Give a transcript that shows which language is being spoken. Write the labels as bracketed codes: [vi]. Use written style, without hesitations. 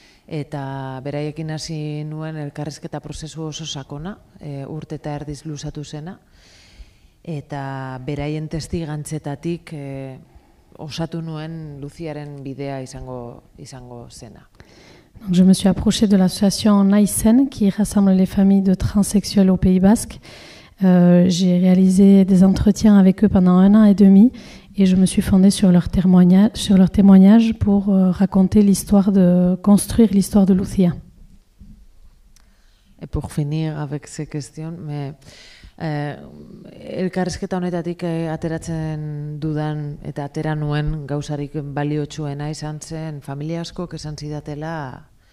[eu] eta beraiekin hasi nuen elkarrizketa prozesu oso sakona, urte eta erdiz luzatu zena, eta beraien testigantzetatik osatu nuen Luciaren bidea izango zena. [fr] Donc je me suis approchée de l'association Naizen qui rassemble les familles de transsexuels au Pays Basque. J'ai réalisé des entretiens avec eux pendant un an et demi et je me suis fondée sur leur témoignage pour raconter l'histoire de construire l'histoire de Lucia. Et pour finir avec ces questions, mais [eu] elkarrizketa honetatik ateratzen dudan eta atera nuen gauzarik baliotsuena izan zen familia askok esan zidatela